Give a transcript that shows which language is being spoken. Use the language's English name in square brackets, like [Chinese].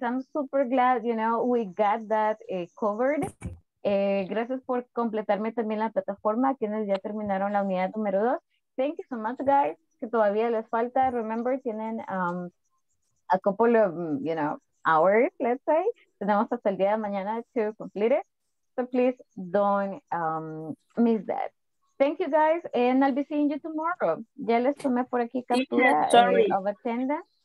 [English] I'm super glad, you know, we got that covered. [Spanish] Gracias por completarme también la plataforma, quienes ya terminaron la unidad número 2. [English] Thank you so much, guys, [Spanish] que todavía les falta. [English] Remember, tienen a couple of, you know, hours, let's say. [Spanish] Tenemos hasta el día de mañana [English] to complete it. So please don't miss that. Thank you, guys, and I'll be seeing you tomorrow. [Spanish] Ya les tomé por aquí captura [English] of attendance.